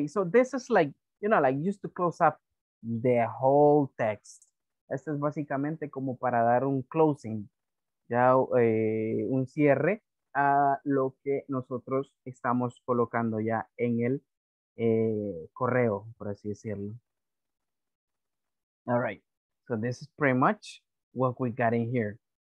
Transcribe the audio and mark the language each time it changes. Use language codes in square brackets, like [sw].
[en] So this is like, you know, like used to close up the whole text. [es] Esto es básicamente como para dar un closing, ya un cierre a lo que nosotros estamos colocando ya en el correo, por así decirlo. [en] All right, so this is pretty much what we got in here.